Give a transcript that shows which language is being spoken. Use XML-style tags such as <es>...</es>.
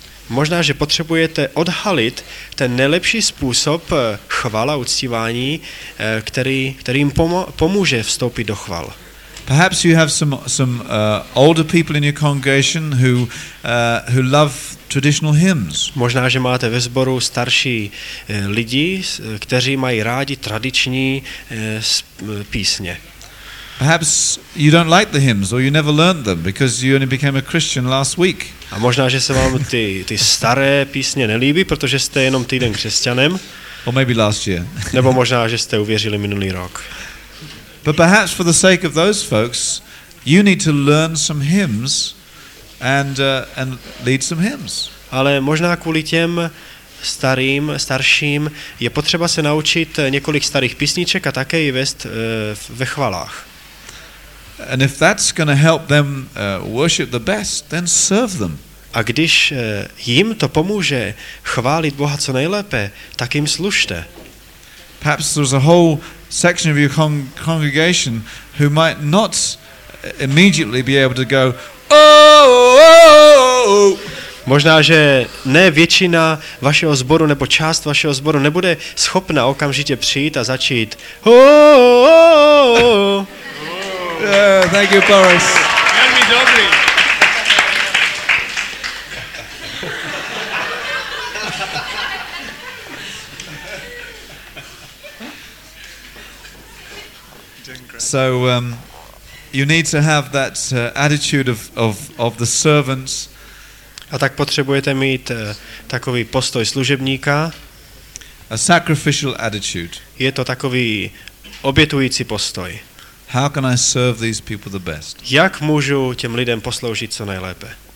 <cs>Možná že potřebujete odhalit ten nejlepší způsob chvála uctívání, který jim pomůže vstoupit do chval.</cs> <en>Perhaps you have some older people in your congregation who love traditional hymns.</en> <cs>Možná že máte ve sboru starší lidi, kteří mají rádi tradiční písně.</cs> <en>Perhaps you don't like the hymns or you never learned them because you only became a Christian last week.</en> <cs>A možná že se vám ty staré písně nelíbí, protože jste jenom týden křesťanem.</cs> <en>Or maybe last year.</en> <cs>Nebo možná že jste uvěřili minulý rok.</cs> <en>But perhaps for the sake of those folks, you need to learn some hymns and lead some hymns.</en> <cs>Ale možná kvůli těm starším je potřeba se naučit několik starých písniček a také je vést ve chválách.</cs> <en>And if that's going to help them worship the best, then serve them.</en> <cs>A když jim to pomůže chválit Boha co nejlépe, tak jim slušte.</cs> <en>Perhaps there's a whole section of your congregation who might not immediately be able to go oh, oh, oh, oh.</en> <cs>Možná že ne většina vašeho sboru nebo část vašeho sboru nebude schopna okamžitě přijít a začít oh, oh, oh, oh.</cs> <en>Yeah, thank you, Boris.</en> <cs>Velmi dobrý.</cs> <en>So you need to have that attitude of the servants.</en> <cs>A tak potřebujete mít takový postoj služebníka.</cs> <en>A sacrificial attitude.</en> <cs>Je to takový obětující postoj.</cs> <en>How can I serve these people the best?</en> <cs>Jak můžu těm lidem posloužit co nejlépe?</cs>